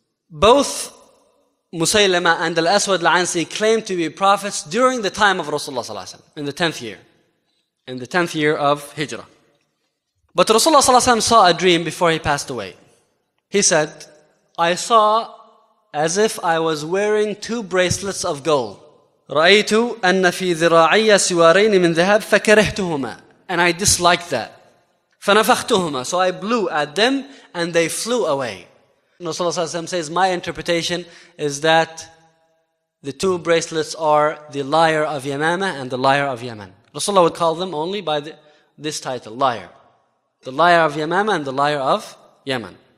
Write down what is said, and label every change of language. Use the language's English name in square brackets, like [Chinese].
[English] Both Musaylima and Al-Aswad al-Ansi claimed to be prophets during the time of Rasulullah sallallahu alaihi wasallam, in the 10th year of Hijrah. But Rasulullah sallallahu alaihi wasallam saw a dream before he passed away. He said, I saw as if I was wearing two bracelets of gold. [Arabic] رأيت أن في ذراعي سوارين من ذهب فكرهتهما. [English] And I disliked that. [Arabic] فنفختهما. [English] So I blew at them and they flew away. Rasulullah says, my interpretation is that the two bracelets are the liar of Yamama and the liar of Yemen. Rasulullah would call them only by this title, liar. The liar of Yamama and the liar of Yemen.